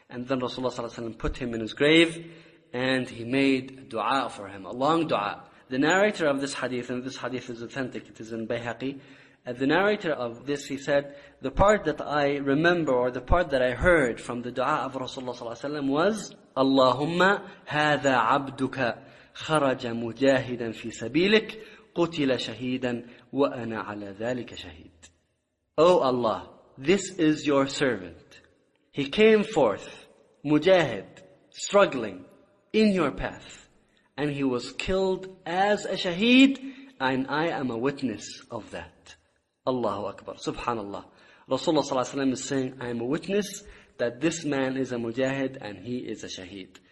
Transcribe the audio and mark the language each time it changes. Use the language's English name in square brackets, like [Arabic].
[English] And then Rasulullah sallallahu alaihi wasallam put him in his grave, and he made dua for him, a long dua. The narrator of this hadith, and this hadith is authentic, it is in Bayhaqi. The narrator of this, he said, the part that I remember, or the part that I heard from the dua of Rasulullah sallallahu alaihi wasallam was, Allahumma hadha abduka. [Arabic] خرج مجاهدا في سبيلك قتل شهيدا وأنا على ذلك شهيد. [English] Oh Allah, this is your servant. He came forth, mujahid, struggling in your path, and he was killed as a shaheed, and I am a witness of that. Allahu Akbar, Subhanallah. Rasulullah sallallahu alayhi wa sallam is saying, I am a witness that this man is a mujahid and he is a shaheed.